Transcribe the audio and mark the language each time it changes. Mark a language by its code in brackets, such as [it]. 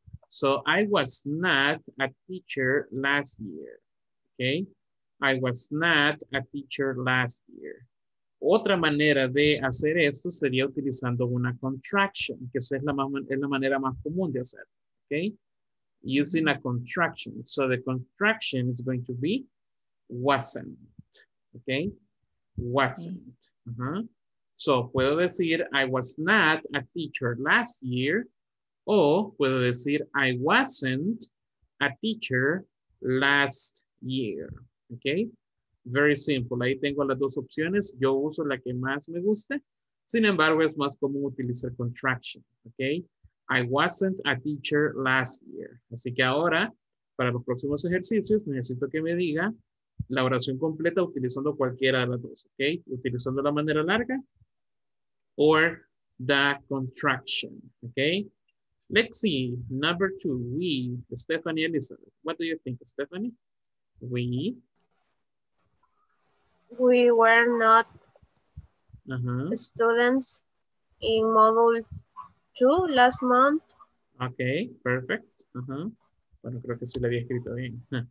[en] So, I was not a teacher last year, ¿ok? I was not a teacher last year. [es] Otra manera de hacer esto sería utilizando una contraction, que esa es la manera más común de hacer, okay? [en] Using a contraction. So the contraction is going to be wasn't, okay? Wasn't. Uh-huh. So [es] puedo decir [en] I was not a teacher last year, [es] o puedo decir [en] I wasn't a teacher last year, okay? Very simple. [es] Ahí tengo las dos opciones. Yo uso la que más me guste. Sin embargo, es más común utilizar contraction. Okay? [en] I wasn't a teacher last year. [es] Así que ahora, para los próximos ejercicios, necesito que me diga la oración completa utilizando cualquiera de las dos. [en] Okay? [es] Utilizando la manera larga [en] or the contraction. Okay? Let's see. Number two. We. Stephanie Elizabeth. What do you think, Stephanie? We. We were not students in module 2 last month. Okay, perfect. [es] Bueno, creo que sí lo había escrito bien.